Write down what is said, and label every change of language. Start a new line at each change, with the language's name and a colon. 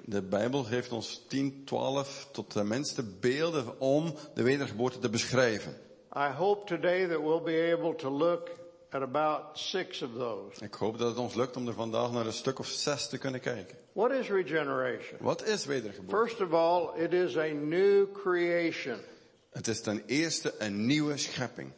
Dutch: De Bijbel geeft ons 10, 12 tot de minste beelden om de wedergeboorte te beschrijven.
English: I hope today that we'll be able to look at about 6 of those.
Dutch: Ik hoop dat het ons lukt om er vandaag naar een stuk of 6 te kunnen kijken.
English: What is regeneration?
Dutch: Wat is wedergeboorte?
English: First of all, it is a new creation.
Dutch: Het is ten eerste een nieuwe schepping.